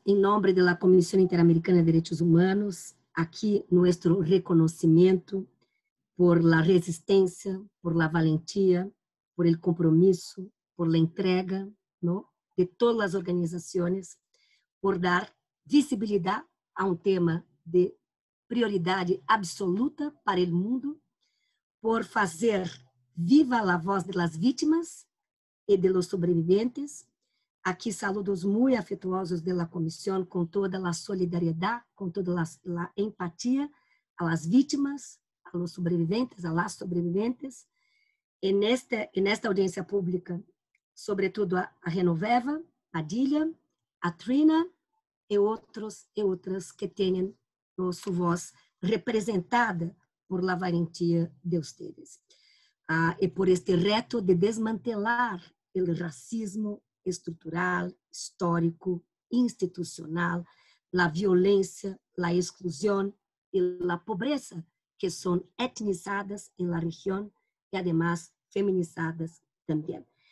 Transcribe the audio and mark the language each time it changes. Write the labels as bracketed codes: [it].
[es] En nombre de la Comisión Interamericana de Derechos Humanos, aquí nuestro reconocimiento por la resistencia, por la valentía, por el compromiso, por la entrega, ¿no?, de todas las organizaciones, por dar visibilidad a un tema de prioridad absoluta para el mundo, por hacer viva la voz de las víctimas y de los sobrevivientes. Aquí saludos muy afectuosos de la Comisión con toda la solidaridad, con toda la empatía a las víctimas, a los sobrevivientes, a las sobrevivientes. En esta audiencia pública [pt] sobretudo a Renoveva, Padilha, a Trina e outros e outras que tenham sua voz representada [es] por la valentia de ustedes. [pt] E por [es] este reto de desmantelar el racismo estrutural, histórico, institucional, la violencia, la exclusión y la pobreza que son etnizadas en la región y además feminizadas también.